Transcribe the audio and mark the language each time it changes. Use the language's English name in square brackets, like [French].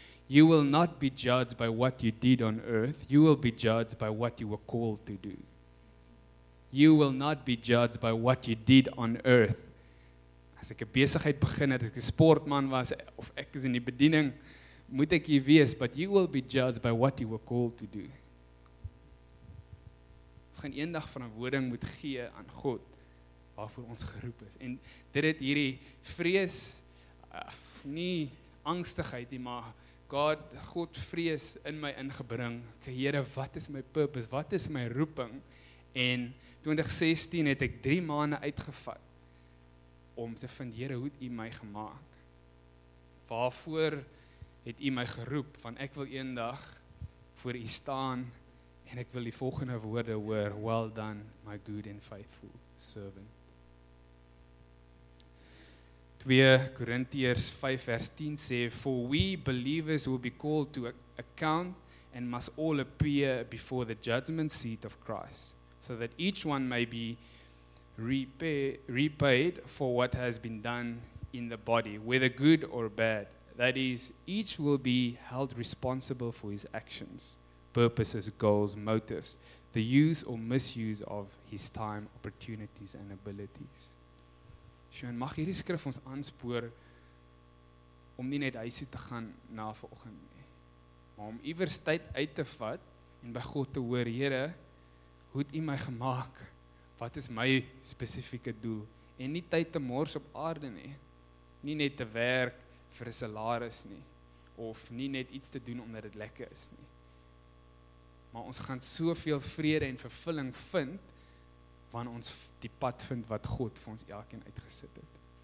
[English] You will not be judged by what you did on earth, you will be judged by what you were called to do. You will not be judged by what you did on earth. [Afrikaans] As ek 'n besigheid begin het, as ek 'n sportman was, of ek is in die bediening, moet ek hier wees, [English] but you will be judged by what you were called to do. [Afrikaans] Ons gaan eendag verantwoording moet gee aan God, waarvoor ons geroep is. En dit het hierdie vrees, nie angstigheid nie, maar God vrees in my ingebring. Here, wat is my purpose? Wat is my roeping? En 2016 het ek 3 maande uitgevat om te vind, Here, hoe het U my gemaak? Waarvoor het U my geroep? Want ek wil eendag voor U staan en ek wil die volgende woorde hoor, [English] well done, my good and faithful servant. [Afrikaans] 2 Korintiërs 5 vers 10 sê, [English] for we believers will be called to account and must all appear before the judgment seat of Christ, so that each one may be repaid for what has been done in the body, whether good or bad. That is, each will be held responsible for his actions, purposes, goals, motives, the use or misuse of his time, opportunities and abilities. [Afrikaans] Sjoen, mag hierdie skrif ons aanspoor om nie net huisie te gaan na vanoggend nie, maar om iewers tyd uit te vat en by God te hoor, Here, hoe het U my gemaak? Wat is my spesifieke doel? En nie tyd te mors op aarde nie. Nie net te werk vir 'n salaris nie. Of nie net iets te doen omdat dit lekker is nie. Maar ons gaan soveel vrede en vervulling vind, wanneer ons die pad vind wat God vir ons elkeen uitgesit het.